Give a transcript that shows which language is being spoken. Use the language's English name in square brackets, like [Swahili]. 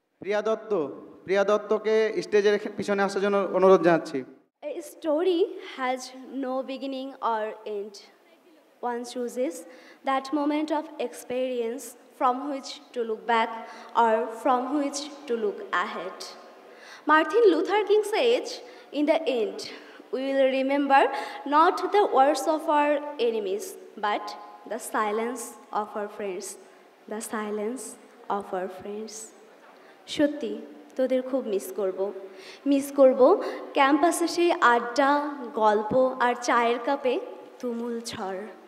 [Bangla] প্রিয়া দত্তকে স্টেজের পিছনে আসার জন্য অনুরোধ জানাচ্ছি। [English] A story has no beginning or end. One chooses that moment of experience from which to look back or from which to look ahead. Martin Luther King says, in the end, we will remember not the words of our enemies, but the silence of our friends. The silence of our friends. [Bangla] সত্যি তোদের খুব miss করব। Miss করব ক্যাম্পাসে সেই আড্ডা, গল্প আর চায়ের কাপে তুমুল ঝড়।